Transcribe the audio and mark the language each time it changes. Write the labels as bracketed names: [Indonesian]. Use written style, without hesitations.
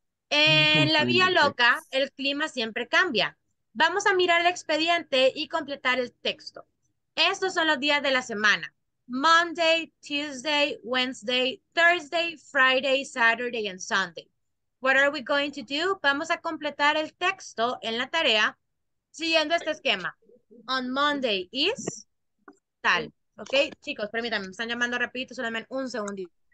[Spanish] En la Vía Loca, el clima siempre cambia. Vamos a mirar el expediente y completar el texto. Estos son los días de la semana. [English] Monday, Tuesday, Wednesday, Thursday, Friday, Saturday, and Sunday. What are we going to do? [Spanish] Vamos a completar el texto en la tarea siguiendo este esquema. [English] On Monday is [Spanish] tal. Ok, chicos, permítanme, me están llamando rapidito, solamente un segundito.